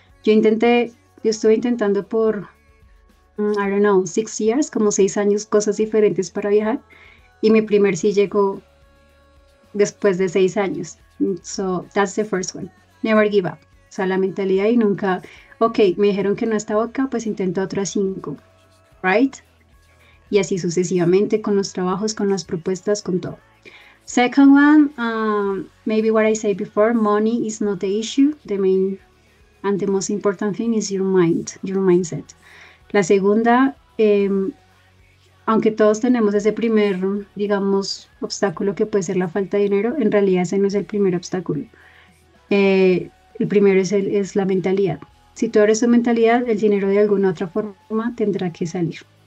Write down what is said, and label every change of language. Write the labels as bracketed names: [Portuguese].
[Spanish] Yo estuve intentando por, [English] I don't know, [Spanish] 6 years, como 6 años, cosas diferentes para viajar, y mi primer sí llegó después de 6 años. [English] So that's the first one. Never give up. [Spanish] O sea, la mentalidad y nunca. Ok, me dijeron que no estaba acá, pues intento otras 5. [English] Right? [Spanish] Y así sucesivamente con los trabajos, con las propuestas, con todo. [English] Second one, maybe what I said before, money is not the issue. The main and the most important thing is your mind, your mindset. [Spanish] La segunda, aunque todos tenemos ese primer, digamos, obstáculo que puede ser la falta de dinero, en realidad ese no es el primer obstáculo. El primero es la mentalidad. Si tú eres tu mentalidad, el dinero de alguna otra forma tendrá que salir.